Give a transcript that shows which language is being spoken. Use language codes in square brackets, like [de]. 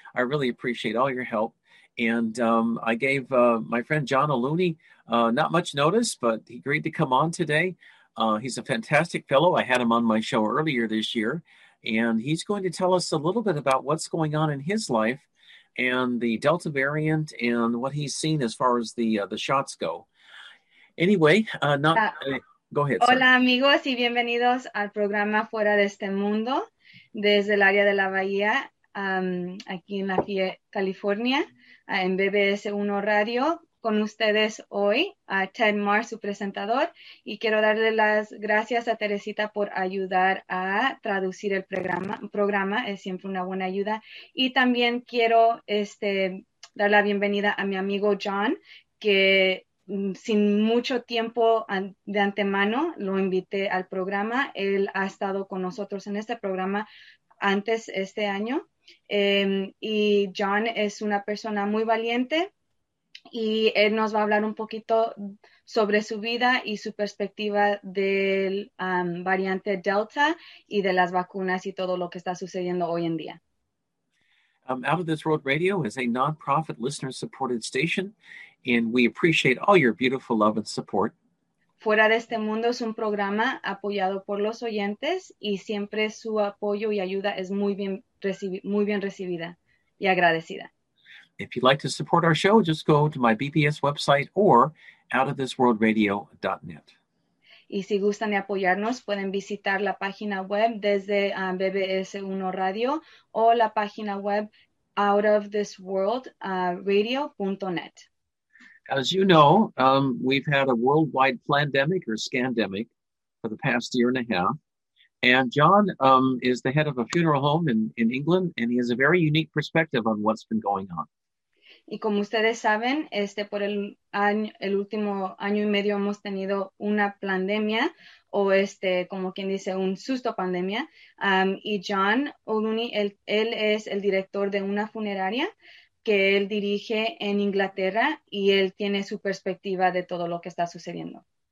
[en] I really appreciate all your help. And I gave my friend John Aluni not much notice, but he agreed to come on today. He's a fantastic fellow. I had him on my show earlier this year. And he's going to tell us a little bit about what's going on in his life and the Delta variant and what he's seen as far as the shots go. Anyway, go ahead. [es] Hola, [en] sorry. [es] Amigos, y bienvenidos al programa Fuera de Este Mundo, desde el área de la Bahía, aquí en la California, en BBS 1 Radio, con ustedes hoy, Ted Marr, su presentador, y quiero darle las gracias a Teresita por ayudar a traducir el programa, es siempre una buena ayuda, y también quiero dar la bienvenida a mi amigo John, que sin mucho tiempo de antemano lo invité al programa. Él ha estado con nosotros en este programa antes este año. Y John es una persona muy valiente y él nos va a hablar un poquito sobre su vida y su perspectiva del variante Delta y de las vacunas y todo lo que está sucediendo hoy en día. [en] Out of This World Radio is a non-profit listener-supported station, and we appreciate all your beautiful love and support. [es] Fuera de Este Mundo es un programa apoyado por los oyentes, y siempre su apoyo y ayuda es muy bien recibida y agradecida. [en] If you'd like to support our show, just go to my BBS website or outofthisworldradio.net. [es] Y si gustan de apoyarnos, pueden visitar la página web desde BBS 1 Radio o la página web outofthisworldradio.net. [en] As you know, we've had a worldwide plandemic or scandemic for the past year and a half. And John is the head of a funeral home in England, and he has a very unique perspective on what's been going on. [es] Y como ustedes saben, por el último año y medio hemos tenido una pandemia, o como quien dice, un susto pandemia. Y John O'Looney, él es el director de una funeraria que él dirige en Inglaterra, y él tiene su perspectiva de todo lo que está sucediendo.